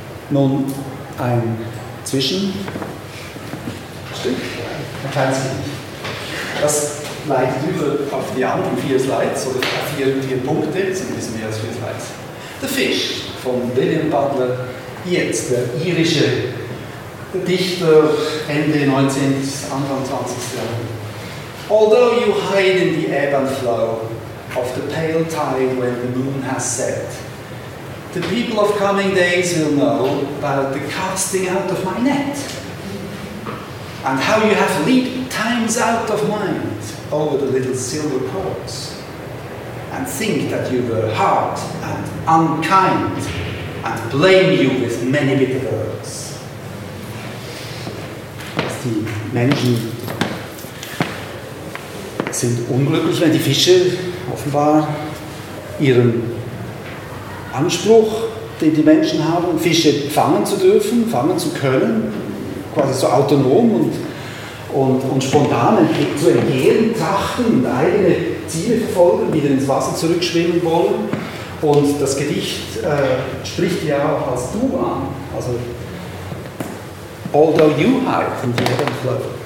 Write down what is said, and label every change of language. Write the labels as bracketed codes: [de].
[de] Nun ein Zwischenstück, ein kleines Stück. Das leitet über auf die anderen vier Slides oder vier Punkte, sind ein bisschen mehr als vier Slides. Der Fisch von William Butler Yeats, der irische Dichter Ende 19. Anfang 20. Jahrhundert. [en] Although you hide in the ebb and flow of the pale tide when the moon has set, the people of coming days will know about the casting out of my net. and how you have leaped times out of mind over the little silver cords, and think that you were hard and unkind, and blame you with many bitter words. [de] Die Menschen sind unglücklich, wenn die Fische offenbar ihren Anspruch, den die Menschen haben, Fische fangen zu dürfen, fangen zu können, quasi so autonom und spontan zu entgehen, trachten und eigene Ziele verfolgen, wieder ins Wasser zurückschwimmen wollen. Und das Gedicht spricht ja auch als du an. Also, [en] although you hide from the ebb and flow.